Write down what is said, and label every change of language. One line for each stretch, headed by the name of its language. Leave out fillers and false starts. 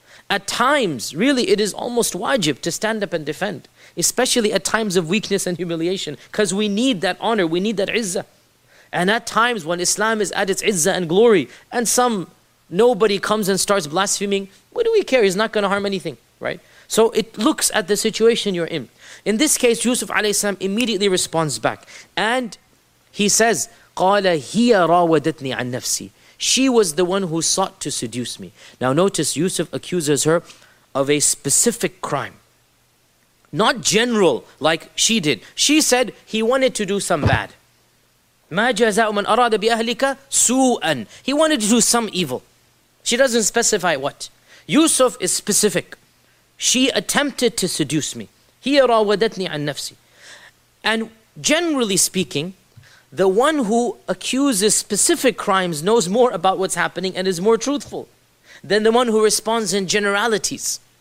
English: At times, really, it is almost wajib to stand up and defend, especially at times of weakness and humiliation, because we need that honor, we need that izzah. And at times when Islam is at its izzah and glory, and some nobody comes and starts blaspheming, what do we care? He's not going to harm anything, right? So it looks at the situation you're in. In this case, Yusuf alayhi salam immediately responds back. And he says,
Arabic: قَالَ هِيَ رَاوَدَتْنِي عَن نَفْسِي.
English: She was the one who sought to seduce me. Now notice, Yusuf accuses her of a specific crime. Not general, like she did. She said he wanted to do some bad.
Arabic: مَا جَزَاءُ مَنْ أَرَادَ بِأَهْلِكَ سُوءًا.
English: He wanted to do some evil. She doesn't specify what. Yusuf is specific. She attempted to seduce me.
Arabic: هِيَ رَاوَدَتْنِي عَن نَفْسِي.
English: And generally speaking, the one who accuses specific crimes knows more about what's happening and is more truthful than the one who responds in generalities.